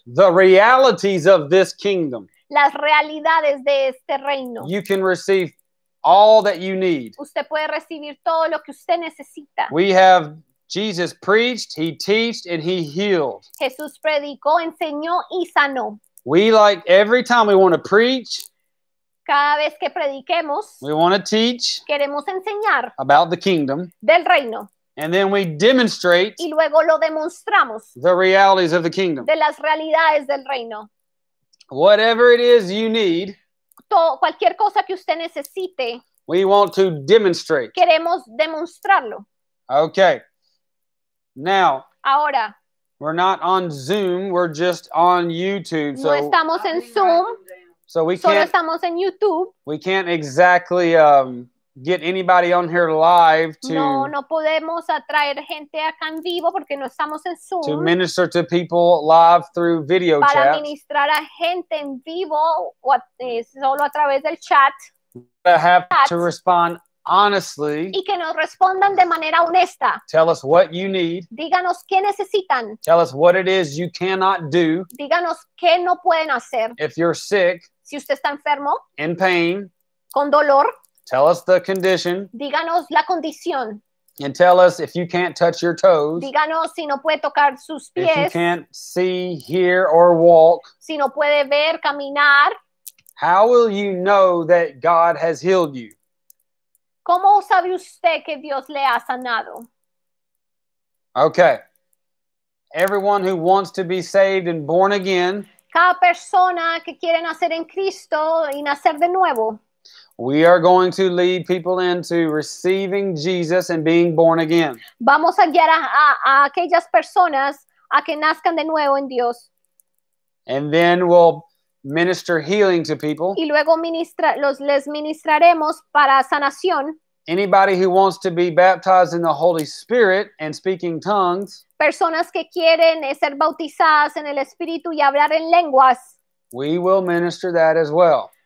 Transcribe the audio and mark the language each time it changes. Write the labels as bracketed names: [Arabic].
[English] The realities of this kingdom. [Spanish] Las realidades de este reino. [English] You can receive all that you need. [Spanish] Usted puede recibir todo lo que usted necesita. [English] We have Jesus preached, he taught, and he healed. [Spanish] Jesús predicó, enseñó y sanó. [English] We like every time we want to preach. [Spanish] Cada vez que prediquemos. [English] We want to teach. [Spanish] Queremos enseñar. [English] About the kingdom. [Spanish] Del reino. [English] And then we demonstrate [Spanish] y luego lo demostramos [English] the realities of the kingdom. [Spanish] De las realidades del reino. [English] Whatever it is you need, [Spanish] cualquier cosa que usted necesite, [English] we want to demonstrate. [Spanish] Queremos demostrarlo. [English] Okay. Now, [Spanish] ahora, [English] we're not on Zoom, we're just on YouTube. [Spanish] No estamos en Zoom. [English] So we can't, [Spanish] solo estamos en YouTube. [English] We can't exactly get anybody on here live to [Spanish] no podemos atraer gente acá en vivo porque no estamos en Zoom. [English] To minister to people live through video [Spanish] para [English] chat. [Spanish] Para ministrar a gente en vivo o solo a través del chat. [English] We have to respond honestly. [Spanish] Y que nos respondan de manera honesta. [English] Tell us what you need. [Spanish] Díganos qué necesitan. [English] Tell us what it is you cannot do. [Spanish] Díganos qué no pueden hacer. [English] If you're sick. [Spanish] Si usted está enfermo. [English] In pain. [Spanish] Con dolor. [English] Tell us the condition. [Spanish] Díganos la condición. [English] And tell us if you can't touch your toes. [Spanish] Díganos si no puede tocar sus pies. [English] If you can't see, hear, or walk. [Spanish] Si no puede ver, caminar. [English] How will you know that God has healed you? [Spanish] ¿Cómo sabe usted que Dios le ha sanado? [English] Okay. Everyone who wants to be saved and born again. [Spanish] Cada persona que quiere nacer en Cristo y nacer de nuevo. [English] We are going to lead people into receiving Jesus and being born again. [Spanish] Vamos a guiar a aquellas personas a que nazcan de nuevo en Dios. [English] And then we'll minister healing to people. [Spanish] Y luego les ministraremos para sanación. [English] Anybody who wants to be baptized in the Holy Spirit and speaking tongues. [Spanish] Personas que quieren ser bautizadas en el Espíritu y hablar en lenguas. [English] We will minister that as well.